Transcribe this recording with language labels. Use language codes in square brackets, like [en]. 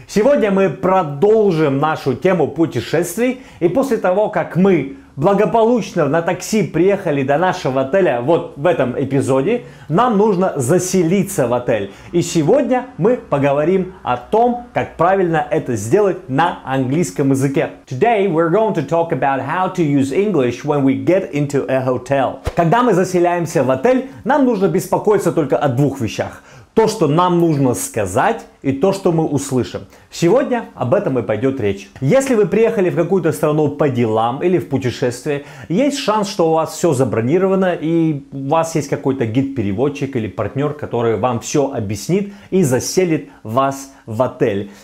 [ru] Сегодня мы продолжим нашу тему путешествий. И после того, как мы благополучно на такси приехали до нашего отеля вот в этом эпизоде, нам нужно заселиться в отель. И сегодня мы поговорим о том, как правильно это сделать на английском языке. [en] Today we're going to talk about how to use English when we get into a hotel. [ru] Когда мы заселяемся в отель, нам нужно беспокоиться только о двух вещах. То, что нам нужно сказать, и то, что мы услышим. Сегодня об этом и пойдет речь. Если вы приехали в какую-то страну по делам или в путешествие, есть шанс, что у вас все забронировано, и у вас есть какой-то гид-переводчик или партнер, который вам все объяснит и заселит вас в отель.